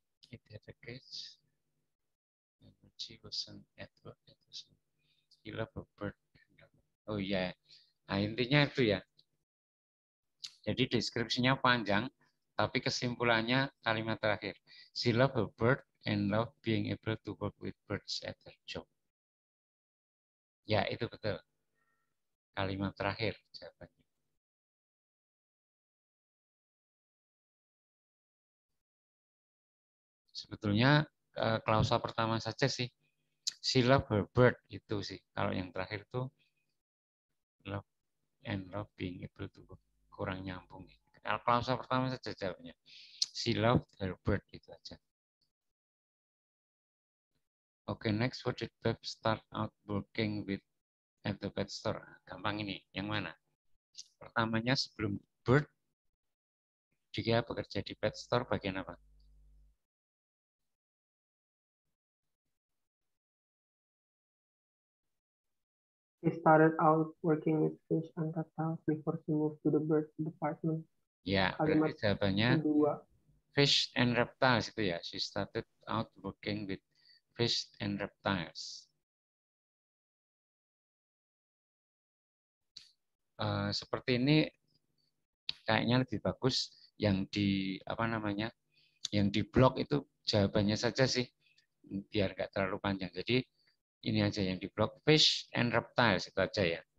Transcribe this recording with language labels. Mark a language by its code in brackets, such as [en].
[en] It had a cage. And when she wasn't at work, it was she loved her bird. [id] Oh ya, yeah. Nah, intinya itu ya. Jadi deskripsinya panjang, tapi kesimpulannya kalimat terakhir. [en] She loved her bird and loved being able to work with birds at her job. [id] Ya, itu betul. Kalimat terakhir jawabannya. Sebetulnya klausa pertama saja sih. [en] She loved her bird [id] itu sih. Kalau yang terakhir itu. [en] Love and love being able to [id] kurang nyambung. Klausa pertama saja jawabnya. [en] She loved her bird, itu aja. Okay, next, what did Beth start out working with at the pet store? [id] Gampang ini, yang mana? Pertamanya sebelum bird, dia bekerja di pet store bagian apa? [en] She started out working with fish and reptiles before she moved to the bird department. [id] Ya, berarti jawabannya [en] fish and reptiles [id] itu ya. [en] She started out working with fish and reptiles. [id] Seperti ini kayaknya lebih bagus yang di apa namanya, yang di blog itu jawabannya saja sih, biar nggak terlalu panjang. Jadi ini aja yang di blog, [en] fish and reptiles, [id] itu aja ya.